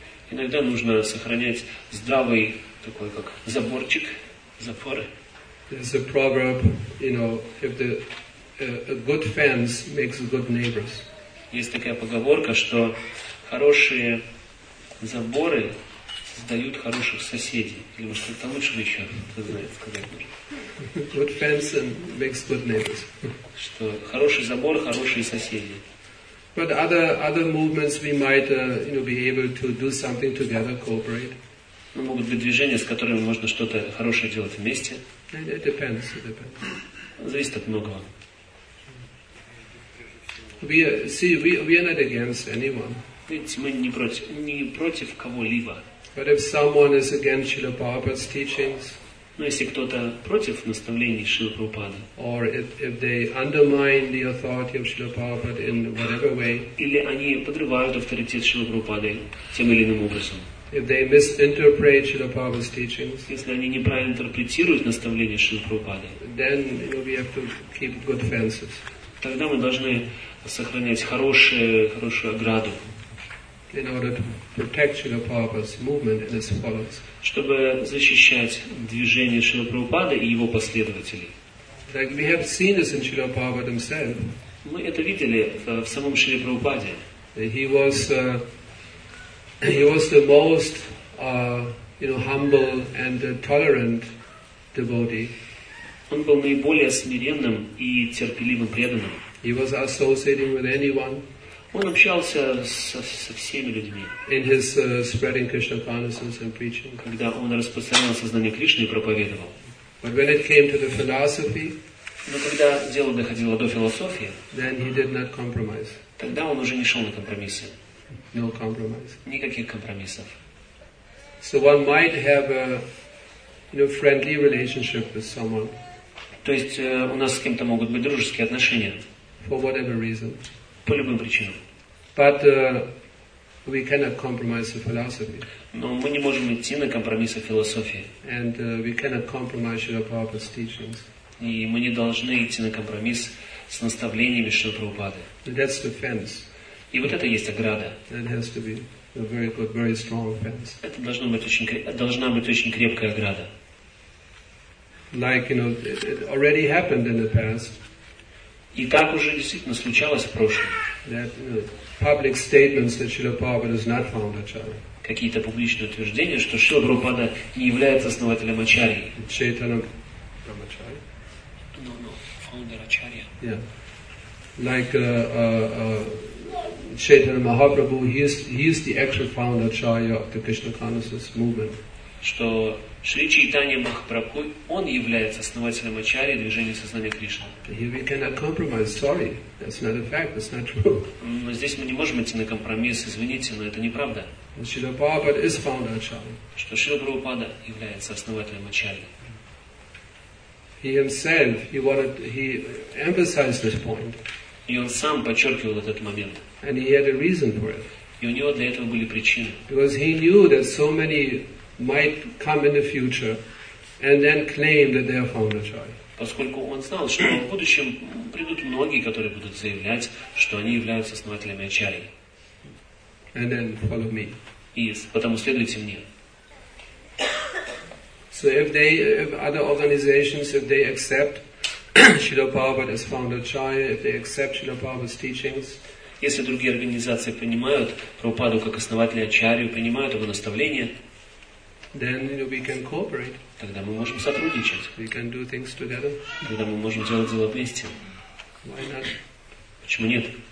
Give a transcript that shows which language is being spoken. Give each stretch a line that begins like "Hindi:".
Russian: Иногда нужно сохранять здравый такой как заборчик, запоры.
English: There's a proverb, you know, if the a good fence makes good neighbors.
Russian: Есть такая поговорка, что хорошие заборы создают хороших соседей. Или, может, это лучше еще, кто знает, сказать можно.
English: Good fence makes good neighbors.
Russian: Что хороший забор, хорошие соседи.
English: But other movements we might, you know, be able to do something together, cooperate.
Russian: Ну, могут быть движения, с которыми можно что-то хорошее делать вместе.
English: It depends.
Russian: Зависит от многого.
English: We are not against anyone.
Russian: Ведь мы не против кого-либо.
English: But if someone is against Srila Prabhupada's teachings,
Russian: но если кто-то против наставлений Шрилы Прабхупады,
English: or if they undermine the authority of Srila Prabhupada in whatever way,
Russian: или они подрывают авторитет Шрилы Прабхупады тем или иным образом,
English: if they misinterpret Srila Prabhupada's teachings,
Russian: если они неправильно интерпретируют наставления Шрилы Прабхупады,
English: then, you know, we have to keep good fences.
Russian: Тогда мы должны сохранять хорошую ограду.
English: In order to protect Srila Prabhupada's movement and his followers.
Russian: Чтобы защищать движение Шрилы Прабхупады и его последователей.
English: Like we have seen this in Srila Prabhupada himself.
Russian: Мы это видели в самом Шриле Прабхупаде.
English: He was the most humble and tolerant devotee.
Russian: Он был наиболее смиренным и терпеливым преданным.
English: He was associating with anyone.
Russian: Он общался со всеми людьми.
English: In his spreading Krishna consciousness and preaching.
Russian: Когда он распространял сознание Кришны и проповедовал.
English: But when it came to the philosophy,
Russian: но когда дело доходило до философии,
English: then he did not compromise.
Russian: Тогда он уже не шел на компромиссы.
English: No compromise.
Russian: Никаких компромиссов.
English: So one might have a friendly relationship with someone.
Russian: То есть у нас с кем-то могут быть дружеские отношения.
English: For whatever reason.
Russian: По любым причинам.
English: But we cannot compromise the philosophy.
Russian: Но мы не можем идти на компромиссы философии.
English: And we cannot compromise Srila Prabhupada's teachings.
Russian: И мы не должны идти на компромисс с наставлениями Шрилы Прабхупады.
English: That's the fence.
Russian: И вот это есть ограда.
English: That has to be a very good, very strong fence.
Russian: Это должна быть очень крепкая ограда.
English: Like, it already happened in the past.
Russian: И так уже действительно случалось в прошлом.
English: That, public statements that Srila Prabhupada is not found acharya.
Russian: Какие-то публичные утверждения, что Шрила Прабхупада не является основателем ачарьи. Чайтана Брамачарьи.
English: Yeah, like Chaitanya Mahaprabhu, he is the actual founder acharya of the Krishna consciousness movement.
Russian: Что Шри Чайтанья Махапрабху, он является основателем ачарьи движения сознания Кришны.
English: Here we cannot compromise. Sorry, that's not a fact. That's not true.
Russian: Но здесь мы не можем идти на компромисс. Извините, но это неправда.
English: Шрила Прабхупада is founder acharya.
Russian: Что Шрила Прабхупада является основателем ачарьи.
English: He himself, he emphasized this point.
Russian: И он сам подчеркивал этот момент.
English: And he had a reason for it.
Russian: И у него для этого были причины.
English: Because he knew that so many might come in the future and then claim that they are found acharya.
Russian: Поскольку он знал, что в будущем придут многие, которые будут заявлять, что они являются основателями ачарьи.
English: And then follow me.
Russian: И потому следуйте мне.
English: So if other organizations, if they accept Srila Prabhupada as founder acharya, if they accept Srila Prabhupada's teachings,
Russian: если другие организации принимают Прабхупаду как основателя ачарьи, принимают его наставления,
English: then we can cooperate.
Russian: Тогда мы можем сотрудничать.
English: We can do things together.
Russian: Тогда мы можем делать дела вместе.
English: Why not?
Russian: Почему нет?